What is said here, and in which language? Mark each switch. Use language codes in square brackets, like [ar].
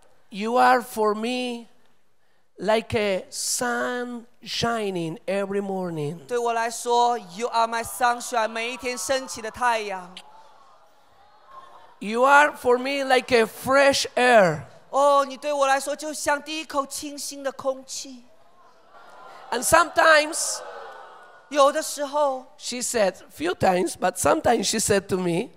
[en] You are for me like a sun shining every morning. [zh] 对我来说 [en] you are my sunshine, [zh] 每一天升起的太阳。 [en] You are for me like a fresh air. [zh] 你对我来说就像第一口清新的空气。 [en] And sometimes, [zh] 有的时候 [en] she said, few times, but sometimes she said to me,